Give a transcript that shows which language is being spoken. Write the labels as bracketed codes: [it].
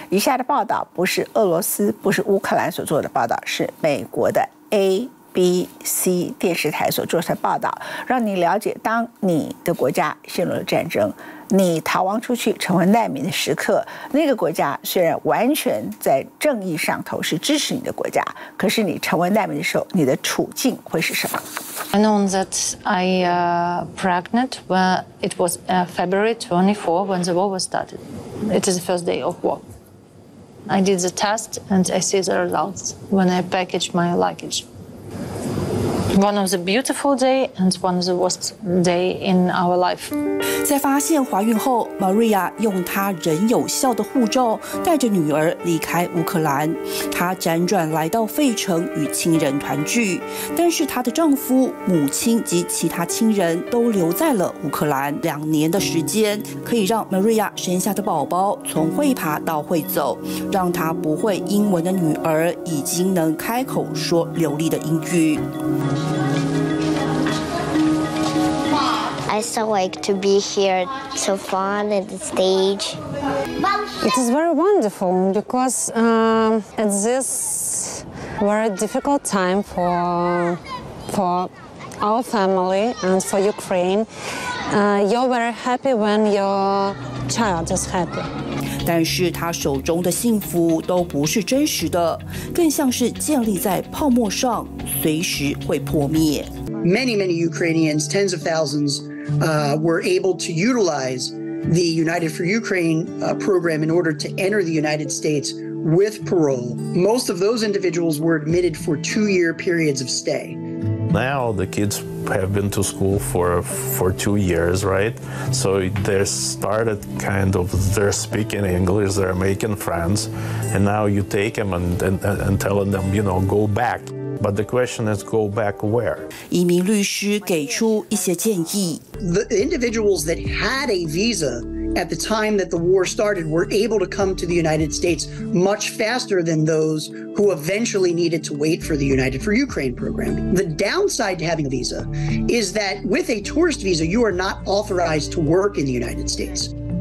[zh] 以下的报道不是俄罗斯，不是乌克兰所做的报道，是美国的 ABC 电视台所做的报道，让你了解当你的国家陷入了战争，你逃亡出去成为难民的时刻，那个国家虽然完全在正义上头是支持你的国家，可是你成为难民的时候，你的处境会是什么？ [en] I know that I pregnant when it was February 24 when the war was started. It is the first day of war. I did the test and I see the results when I package my luggage. One of the beautiful day and one of the worst day in our life. [zh] 在发现怀孕后， Maria 用她仍有效的护照带着女儿离开乌克兰，她辗转来到费城与亲人团聚，但是她的丈夫、母亲及其他亲人都留在了乌克兰。 2年的时间可以让 Maria 生下的宝宝从会爬到会走，让她不会英文的女儿已经能开口说流利的英语。 [en] I so like to be here, so fun at the stage. It is very wonderful because at this very difficult time for our family and for Ukraine, you're very happy when your child is happy. [zh] 但是他手中的幸福都不是真实的，更像是建立在泡沫上，随时会破灭。 [en] Many, many Ukrainians, tens of thousands, were able to utilize the United for Ukraine program in order to enter the United States with parole. Most of those individuals were admitted for two-year periods of stay. Now the kids have been to school for 2 years, right? So they started kind of, they're speaking English, they're making friends, and now you take them and telling them, you know, go back. But the question is, go back where? [zh] 移民律师给出一些建议。 [en] The individuals that had a visa at the time that the war started were able to come to the United States much faster than those who eventually needed to wait for the United for Ukraine program. The downside to having a visa is that with a tourist visa, you are not authorized to work in the United States.